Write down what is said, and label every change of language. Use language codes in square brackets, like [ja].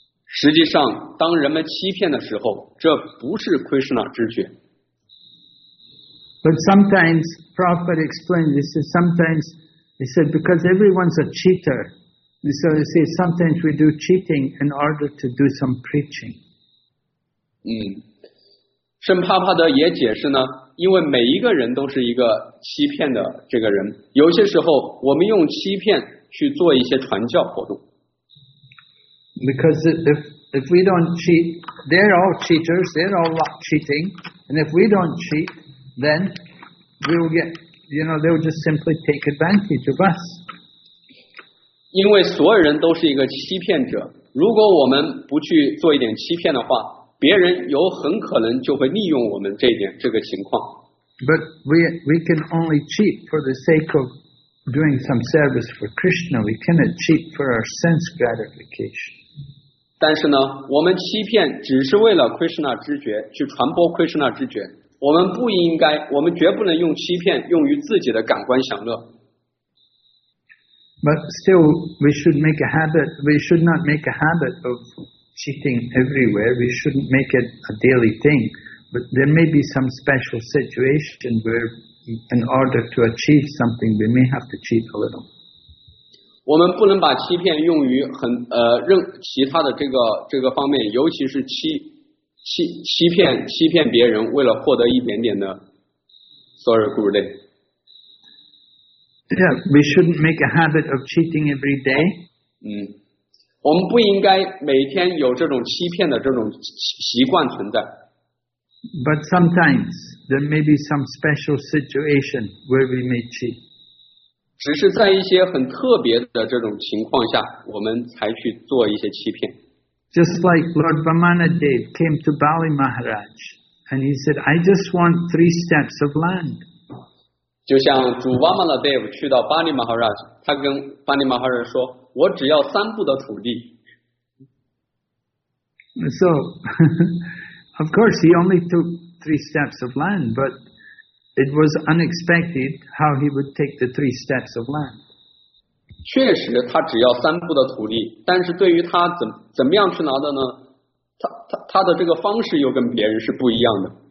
[zh] 实际上当人们欺骗的时候这不是 Krishna 之觉。 [en] But sometimes, Prabhupada explained, he said, sometimes, he said, because everyone's a cheater, and so he said, sometimes we do cheating in order to do some preaching. 嗯。 [zh] 圣帕帕德也解释呢，因为每一个人都是一个欺骗的这个人，有些时候我们用欺骗去做一些传教活动。 [en] Because if we don't cheat, they're all cheaters, they're all cheating, and if we don't cheat, then we'll get, you know, they'll just simply take advantage of us. [zh] 因为所有人都是一个欺骗者，如果我们不去做一点欺骗的话，别人有很可能就会利用我们这一点这个情况。 [en] But we can only cheat for the sake of doing some service for Krishna. We cannot cheat for our sense gratification. [zh] 但是呢，我们欺骗只是为了 Krishna 知觉，去传播 Krishna 知觉。我们不应该，我们绝不能用欺骗用于自己的感官享乐。 [en] But still, we should make a habit. We should not make a habit of cheating everywhere. We shouldn't make it a daily thing. But there may be some special situation where, in order to achieve something, we may have to cheat a little. [zh] 我们不能把欺骗用于任其他的这个方面，尤其是欺骗别人，为了获得一点点的 ， [en] sorry, Guru. Yeah, we shouldn't make a habit of cheating every day. [zh] 嗯，我们不应该每天有这种欺骗的这种习惯存在。 [en] But sometimes there may be some special situation where we may cheat. [zh] 只是在一些很特别的这种情况下，我们才去做一些欺骗。 [en] Just like Lord Vamanadeva came to Bali Maharaj, and he said, "I just want 3 steps of land." [zh] 就像主 Vamanadeva 去到巴利马哈拉，他跟巴利马哈拉说：“我只要三步的土地。” [en] So, of course, he only took 3 steps of land, but. It was unexpected how he would take the 3 steps of land. [zh] 确实他只要三步的土地，但是对于他怎么样去拿的呢？他的这个方式又跟别人是不一样的。